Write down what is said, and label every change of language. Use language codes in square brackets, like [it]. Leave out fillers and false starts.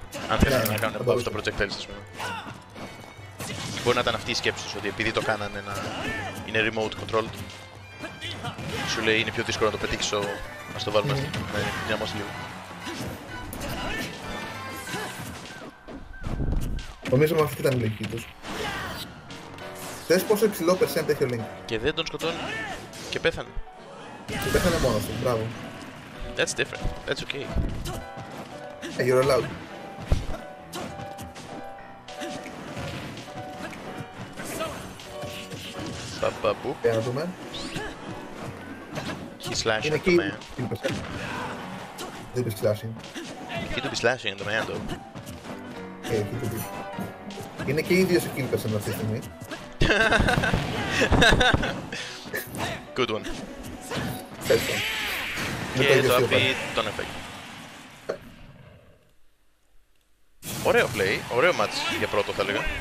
[el] Αν θέλει να κάνουν από αυτό το projectiles, ας πούμε. Μπορεί να ήταν αυτή η σκέψη σου, ότι επειδή το κάνανε να είναι remote controlled, σου λέει είναι πιο δύσκολο να το πετύξω, ας το βάλουμε να δυναμώσει λίγο. Νομίζω ότι αυτή ήταν η λογική τους. Θες πόσο υψηλό percent έχει ο Link. Και δεν τον σκοτώνει. Και πέθανε. Και πέθανε μόνος του, μπράβο. [en] That's different, that's okay. Hey, you're allowed. [el] Παπαπού. Για να δούμε. [en] He's slashing the man. He's slashing. He could be slashing the man, though. Hey, he could be. [el] Είναι και ίδιος ο kill percent αυτή τη στιγμή. [en] Good one. [el] Και το αφή τον effect. Ωραίο play, ωραίο match για πρώτο θα έλεγα.